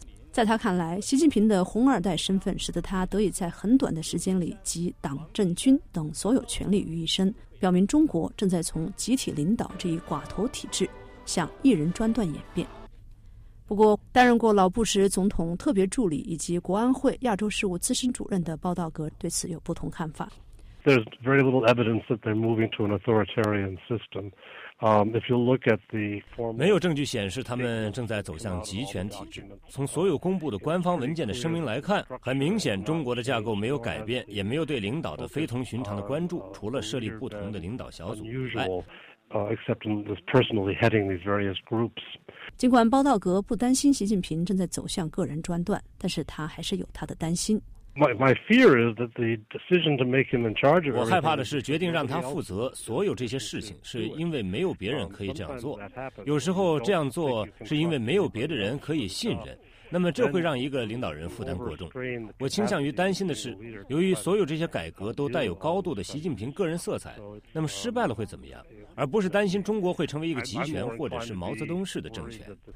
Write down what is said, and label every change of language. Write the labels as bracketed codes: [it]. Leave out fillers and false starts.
[zh] 在他看来，习近平的红二代身份使得他得以在很短的时间里集党政军等所有权力于一身，表明中国正在从集体领导这一寡头体制向一人专断演变。不过，担任过老布什总统特别助理以及国安会亚洲事务资深主任的鲍道格对此有不同看法。 [en] There's very little evidence that they're moving to an authoritarian system. If you look at the form, [zh] 没有证据显示他们正在走向集权体制。从所有公布的官方文件的声明来看，很明显，中国的架构没有改变，也没有对领导的非同寻常的关注，除了设立不同的领导小组。 [en] Except in this personally heading these various groups. [zh] 尽管鲍道格不担心习近平正在走向个人专断，但是他还是有他的担心。 [en] My fear is that the decision to make him in charge of [zh] 我害怕的是决定让他负责所有这些事情，是因为没有别人可以这样做。有时候这样做是因为没有别的人可以信任。那么这会让一个领导人负担过重。我倾向于担心的是，由于所有这些改革都带有高度的习近平个人色彩，那么失败了会怎么样，而不是担心中国会成为一个集权或者是毛泽东式的政权。